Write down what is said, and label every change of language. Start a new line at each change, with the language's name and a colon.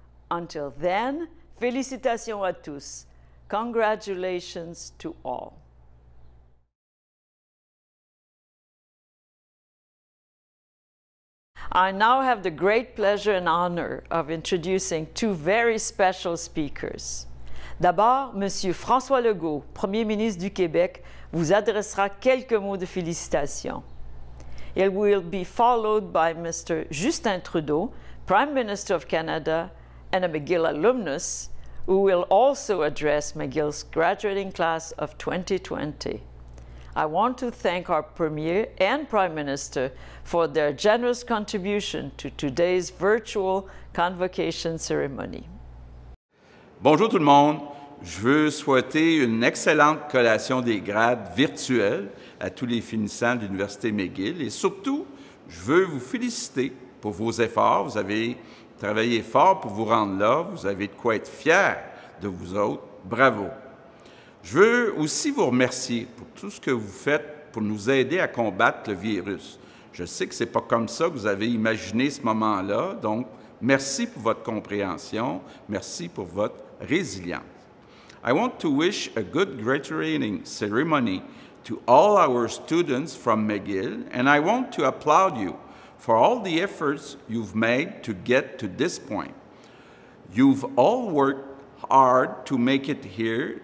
English: Until then,
French: félicitations à tous.
English: Congratulations to all. I now have the great pleasure and honor of introducing two very special speakers.
French: D'abord, Monsieur François Legault, Premier ministre du Québec, vous adressera quelques mots de félicitations.
English: It will be followed by Mr. Justin Trudeau, Prime Minister of Canada and a McGill alumnus, who will also address McGill's graduating class of 2020. I want to thank our Premier and Prime Minister for their generous contribution to today's virtual convocation ceremony.
French: Bonjour tout le monde. Je veux souhaiter une excellente collation des grades virtuelle à tous les finissants de l'Université McGill et surtout, je veux vous féliciter pour vos efforts. Vous avez travaillé fort pour vous rendre là. Vous avez de quoi être fiers de vous autres. Bravo! Je veux aussi vous remercier pour tout ce que vous faites pour nous aider à combattre le virus. Je sais que ce n'est pas comme ça que vous avez imaginé ce moment-là, donc merci pour votre compréhension, merci pour votre résilience.
English: I want to wish a good graduating ceremony to all our students from McGill, and I want to applaud you for all the efforts you've made to get to this point. You've all worked hard to make it here.